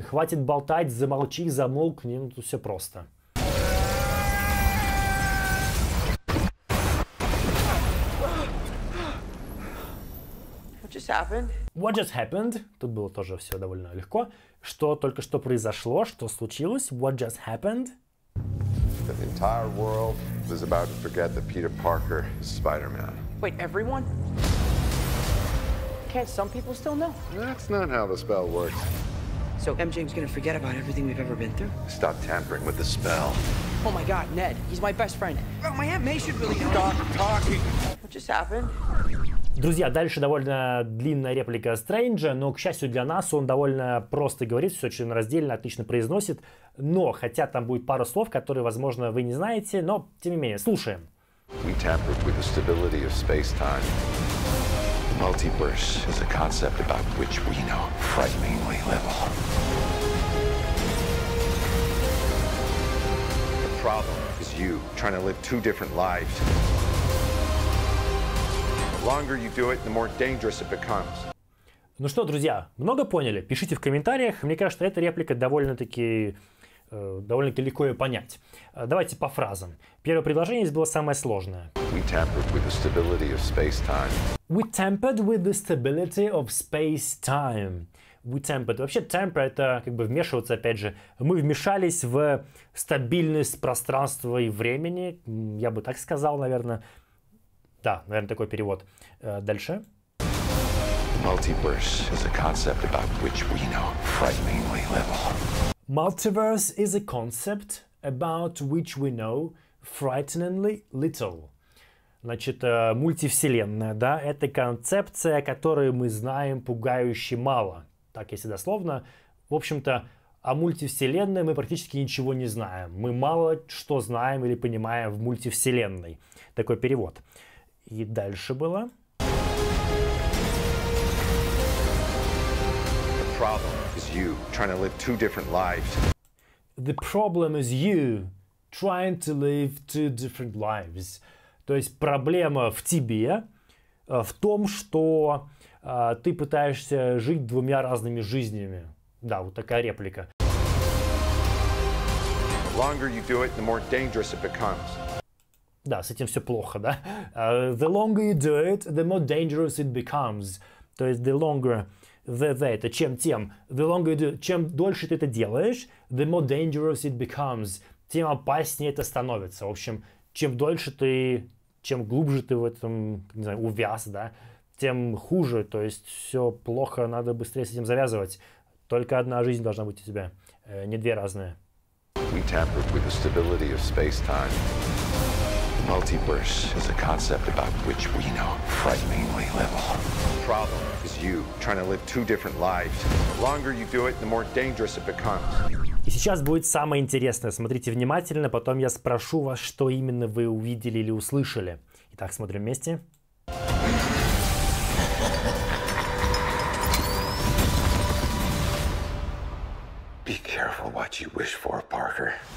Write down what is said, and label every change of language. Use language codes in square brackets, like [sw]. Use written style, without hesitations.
[ru] Хватит болтать, замолчи, замолкни, ну, тут все просто. [en] What just happened? [ru] Тут было тоже все довольно легко. Что только что произошло? Что случилось? [en] What just happened? The entire world is about to forget that Peter Parker is Spider-Man. Wait, everyone? Can't some people still know? That's not how the spell works. So MJ's gonna forget about everything we've ever been through? Stop tampering with the spell. Oh my god, Ned, he's my best friend. Oh, my Aunt May should really know. Stop talking. What just happened? [ru] Друзья, дальше довольно длинная реплика Стрэнджа, но, к счастью для нас, он довольно просто говорит, все очень раздельно, отлично произносит, но, хотя там будет пару слов, которые, возможно, вы не знаете, но, тем не менее, слушаем. [en] We tampered with the stability of space-time. The multiverse is a concept about which we know frighteningly little. The problem is you trying to live two different lives. Longer you do it, the more dangerous it becomes. [ru] Ну что, друзья, много поняли? Пишите в комментариях. Мне кажется, эта реплика довольно-таки легко ее понять. Давайте по фразам. Первое предложение здесь было самое сложное. [en] We tampered with the stability of space-time. We tampered with the stability of space-time. We tampered. [ru] Вообще, tamper — это как бы вмешиваться, опять же. Мы вмешались в стабильность пространства и времени. Я бы так сказал, наверное. Да, наверное, такой перевод. Дальше. [en] Multiverse is a concept about which we know frighteningly little. Multiverse is a concept about which we know frighteningly little. [ru] Значит, мультивселенная, да, это концепция, о которой мы знаем пугающе мало. Так, если дословно. В общем-то, о мультивселенной мы практически ничего не знаем. Мы мало что знаем или понимаем в мультивселенной. Такой перевод. И дальше было. [en] The problem is you trying to live two different lives. The problem is you trying to live two different lives. [ru] То есть проблема в тебе, в том, что ты пытаешься жить двумя разными жизнями. Да, вот такая реплика. [en] The longer you do it, the more dangerous it becomes. [ru] Да, с этим все плохо, да? [en] The longer you do it, the more dangerous it becomes. [ru] То есть, [en] the longer, the, [ru] это чем тем. [en] The longer you do, [ru] чем дольше ты это делаешь, [en] the more dangerous it becomes. [ru] Тем опаснее это становится. В общем, чем дольше ты, чем глубже ты в этом, не знаю, увяз, да, тем хуже. То есть, все плохо, надо быстрее с этим завязывать. Только одна жизнь должна быть у тебя, не две разные. [en] We tampered with the stability of space-time. Multiverse is a concept about which we know frighteningly little. The problem is you trying to live two different lives. The longer you do it, the more dangerous it becomes. [ru] И сейчас будет самое интересное. Смотрите внимательно, потом я спрошу вас, что именно вы увидели или услышали. Итак, смотрим вместе. [en] Be careful what you wish for, Parker.